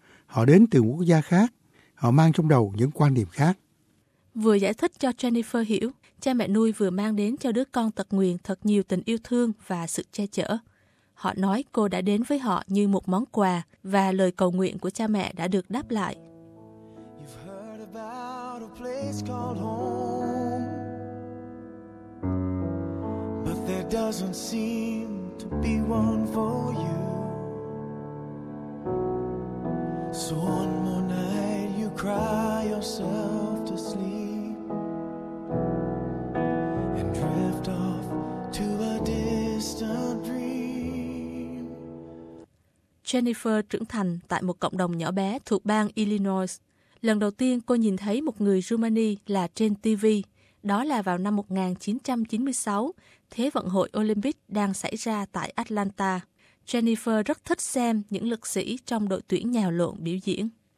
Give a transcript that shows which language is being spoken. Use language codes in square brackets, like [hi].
[vi] Họ đến từ quốc gia khác, họ mang trong đầu những quan niệm khác. Vừa giải thích cho Jennifer hiểu, cha mẹ nuôi vừa mang đến cho đứa con tật nguyền thật nhiều tình yêu thương và sự che chở. Họ nói cô đã đến với họ như một món quà và lời cầu nguyện của cha mẹ đã được đáp lại. [en] You've heard about a place called home, but there doesn't seem to be one for you. So one more night you cry yourself to sleep and drift off to a distant dream. [vi] Jennifer trưởng thành tại một cộng đồng nhỏ bé thuộc bang Illinois. Lần đầu tiên cô nhìn thấy một người Rumani là trên TV. Đó là vào năm 1996, Thế vận hội Olympic đang xảy ra tại Atlanta. Jennifer rất thích xem những lực sĩ trong đội tuyển nhào lộn biểu diễn.